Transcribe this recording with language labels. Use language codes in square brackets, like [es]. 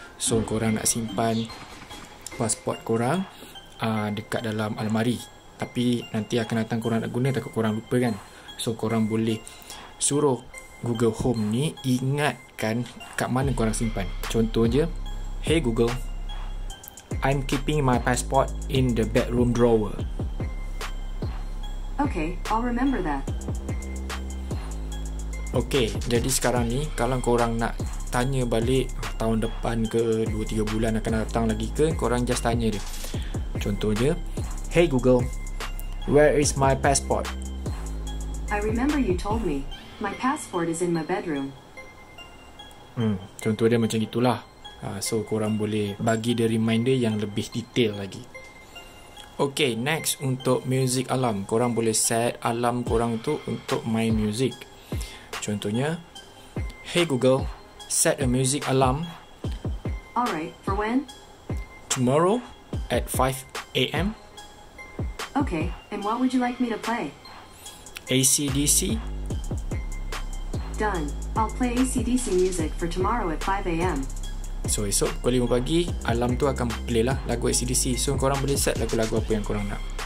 [ms] So korang nak simpan passport korang dekat dalam almari, tapi nanti akan datang korang nak guna takut korang lupa kan. So korang boleh suruh Google Home ni ingatkan kat mana korang simpan. Contoh je, [en] Hey Google, I'm keeping my passport in the bedroom drawer. Okay, I'll remember that. [ms] Okay, jadi sekarang ni kalau korang nak tanya balik tahun depan ke 2-3 bulan akan datang lagi ke, korang just tanya dia. Contoh dia, [en] Hey Google, where is my passport? I remember you told me my passport is in my bedroom. [ms] Contoh dia macam itulah. So korang boleh bagi dia reminder yang lebih detail lagi. Okay, next untuk music alarm, korang boleh set alarm korang tu untuk main music. Contohnya, [en] Hey Google, set a music alarm. Alright, for when? Tomorrow at 5 a.m. Okay, and what would you like me to play? AC/DC. Done. I'll play AC/DC music for tomorrow at 5 a.m. [ms] So esok pukul 5 pagi, alarm tu akan play lah lagu AC/DC. So korang boleh set lagu-lagu apa yang korang nak.